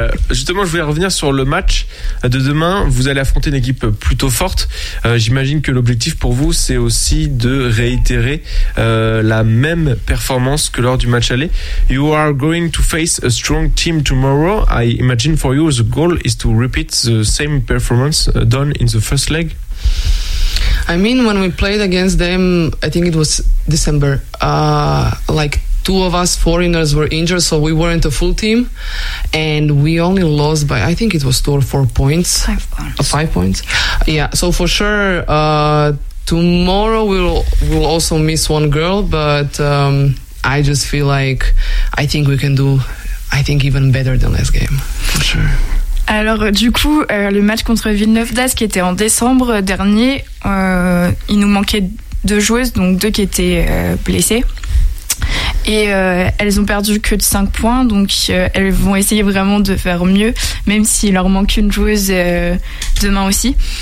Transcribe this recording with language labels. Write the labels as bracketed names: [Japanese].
[French] Justement, je voulais revenir sur le match de demain. Vous allez affronter une équipe plutôt forte. J'imagine que l'objectif pour vous, c'est aussi de réitérer la même performance que lors du match aller. [English] You are going to face a strong team tomorrow. I imagine for you, the goal is to repeat the same performance done in the first leg. I mean, when we played against them, I think it was December, like two of us foreigners were injured, so we weren't a full team. And we only lost by, I think it was 2 or 4 points. 5 points. 5 points. Yeah, so for sure, tomorrow we'll also miss one girl, but I just feel like I think we can do, I think even better than last game, for sure. [French] Alors du coup, le match contre Villeneuve-d'Ascq qui était en décembre dernier, il nous manquait deux joueuses, donc deux qui étaient blessées. Et elles ont perdu que de 5 points, donc elles vont essayer vraiment de faire mieux, même s'il leur manque une joueuse demain aussi.